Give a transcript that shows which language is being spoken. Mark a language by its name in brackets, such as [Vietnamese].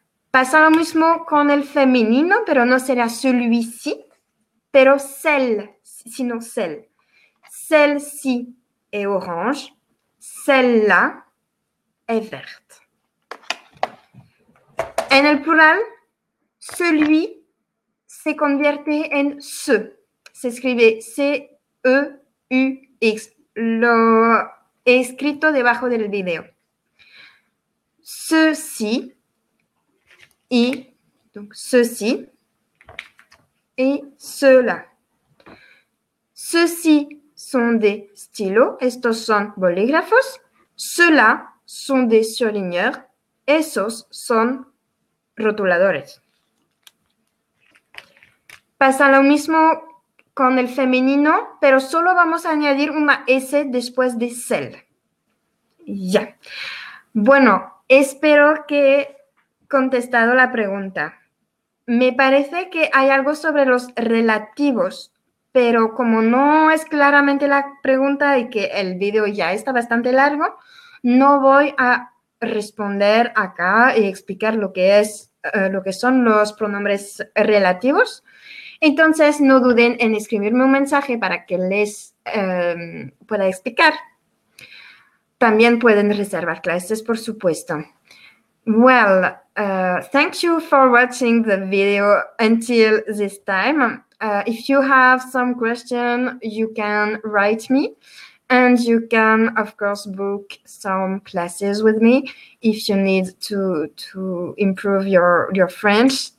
[Spanish] Pasa lo mismo con el femenino, pero no será celui-ci, pero celle, sino celle. [French] Celle-ci est orange, celle-là est verte. [Spanish] En el plural, celui se convierte en ce. Se escribe C-E-U-X. Lo he escrito debajo del video. [French] Ceux-ci y donc ceux-ci et ceux-là. Ceux-ci sont des stylos, [Spanish] estos son bolígrafos. [French] Ceux-là sont des surligneurs, [Spanish] esos son rotuladores. Pasa lo mismo con el femenino, pero solo vamos a añadir una S después de cel. Ya. Bueno. Espero que he contestado la pregunta. Me parece que hay algo sobre los relativos, pero como no es claramente la pregunta y que el video ya está bastante largo, no voy a responder acá y explicar lo que es, lo que son los pronombres relativos. Entonces, no duden en escribirme un mensaje para que les pueda explicar. También pueden reservar clases, por supuesto. [English] Well, thank you for watching the video until this time. If you have some question, you can write me and you can of course book some classes with me if you need to improve your French.